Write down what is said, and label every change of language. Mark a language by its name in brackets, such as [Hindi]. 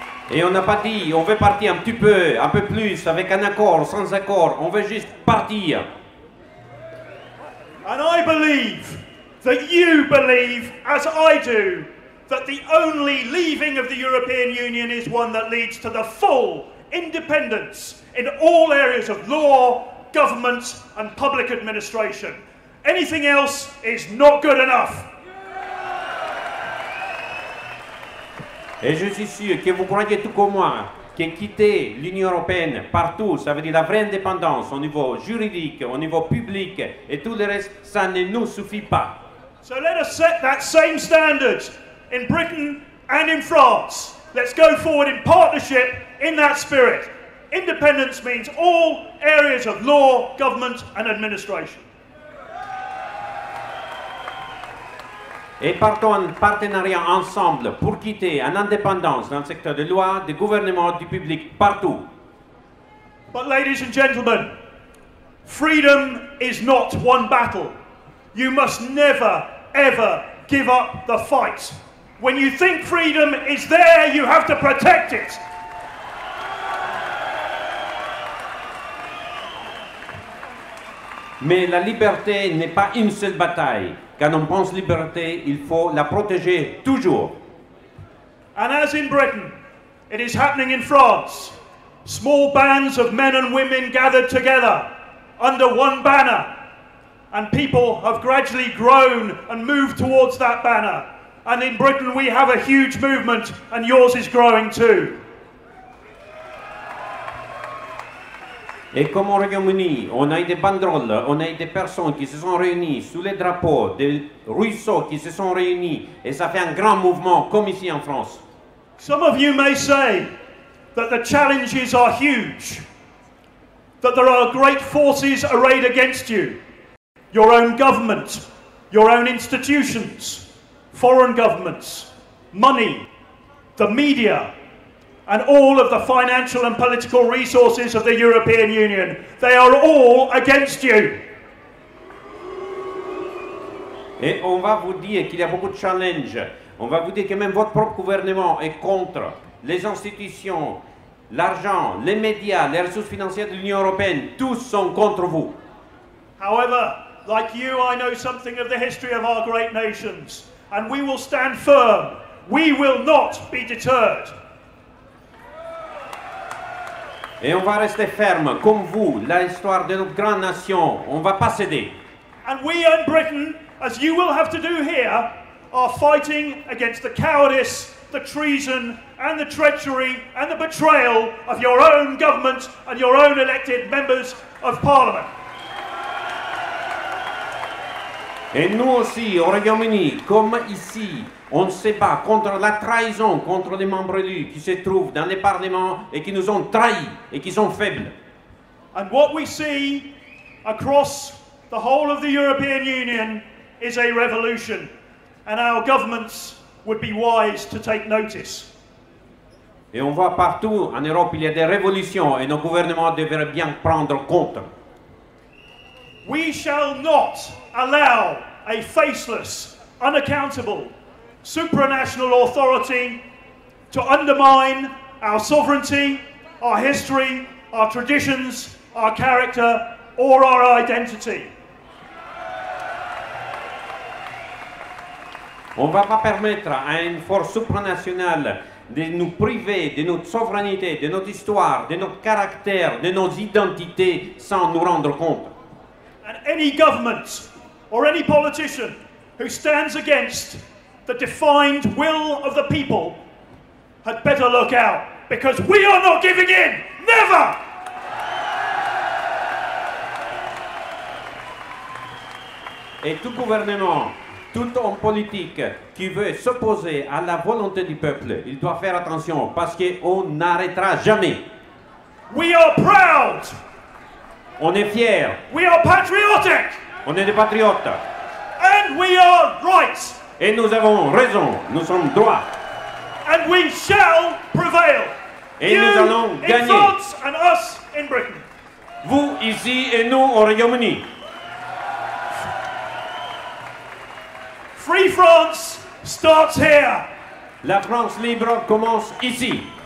[French] Et on n'a pas dit, on veut partir un petit peu, un peu plus, avec un accord, sans accord, on veut juste partir. [English] And I believe that you believe, as I do, that the only leaving of the European Union is one that leads to the full independence in all areas of law, government and public administration. Anything else is not good enough. [French] Et je suis sûr que vous croyez tout comme moi que quitter l'Union européenne partout, ça veut dire la vraie indépendance au niveau juridique, au niveau public et tout le reste, ça ne nous suffit pas. [English] So let us set that same standard in Britain and in France. Let's go forward in partnership in that spirit. Independence means all areas of law, government and administration. [French] Et partons en partenariat ensemble pour quitter en indépendance dans le secteur de loi, du gouvernement, du public, partout. [English] But ladies and gentlemen, freedom is not one battle. You must never, ever give up the fight. When you think freedom is there, you have to protect it. [French] Mais la liberté n'est pas une seule bataille. Quand on pense liberté, il faut la protéger toujours. [English] And as in Britain, it is happening in France. Small bands of men and women gathered together under one banner. And people have gradually grown and moved towards that banner. And in Britain we have a huge movement and yours is growing too. [French] Et comme au Royaume-Uni, on a eu des banderoles, on a eu des personnes qui se sont réunies sous les drapeaux, des ruisseaux qui se sont réunis, et ça fait un grand mouvement, comme ici en France. [English] Some of you may say that the challenges are huge, that there are great forces arrayed against you, your own government, your own institutions, foreign governments, money, the media, and all of the financial and political resources of the European Union. They are all against you. [French] Et on va vous dire qu'il y a beaucoup de challenges. On va vous dire que même votre propre gouvernement est contre. Les institutions, l'argent, les médias, les ressources financières de l'Union Européenne, tous sont contre vous. [English] However, like you, I know something of the history of our great nations. And we will stand firm. We will not be deterred. [French] Et on va rester ferme, comme vous, l'histoire de notre grande nation. On ne va pas céder. [English] And we in Britain, as you will have to do here, are fighting against the cowardice, the treason, and the treachery, and the betrayal of your own government and your own elected members of Parliament. [French] Et nous aussi, au Royaume-Uni, comme ici, on se bat contre la trahison contre les membres élus qui se trouvent dans les parlements et qui nous ont trahis et qui sont faibles. [English] And what we see across the whole of the European Union is a revolution. And our governments would be wise to take notice. [French] Et on voit partout en Europe il y a des révolutions et nos gouvernements devraient bien prendre compte. [English] We shall not allow a faceless, unaccountable supranational authority to undermine our sovereignty, our history, our traditions, our character, or our identity. [French] On ne va pas permettre à une force supranationale de nous priver de notre souveraineté, de notre histoire, de notre caractère, de nos identités sans nous rendre compte. [English] And any government or any politician who stands against the defined will of the people had better look out, because we are not giving in, never! [French] Et tout gouvernement, tout homme politique qui veut s'opposer à la volonté du peuple, il doit faire attention, parce qu'on n'arrêtera jamais. [English] We are proud! [French] On est fiers! [English] We are patriotic! [French] On est des patriotes! [English] And we are right! [French] Et nous avons raison, nous sommes droits. [English] And we shall prevail. [French] Et nous allons gagner. [English] In France and us in Britain. [French] Vous ici et nous au Royaume-Uni. [English] Free France starts here. [French] La France libre commence ici.